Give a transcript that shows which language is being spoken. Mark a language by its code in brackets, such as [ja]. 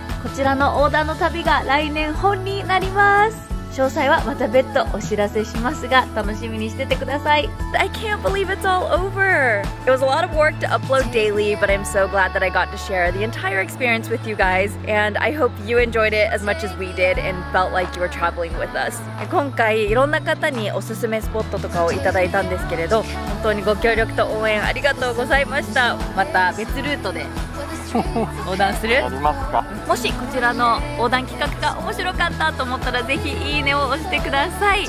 [ja] こちらの横断の旅が来年本になります詳細はまた別途お知らせしますが楽しみにしててください [en] I can't believe it's all over! It was a lot of work to upload daily, but I'm so glad that I got to share the entire experience with you guys and I hope you enjoyed it as much as we did and felt like you were traveling with us [ja] 今回いろんな方におすすめスポットとかをいただいたんですけれど本当にご協力と応援ありがとうございましたまた別ルートで横断する？やりますか。もしこちらの横断企画が面白かったと思ったらぜひいいねを押してください。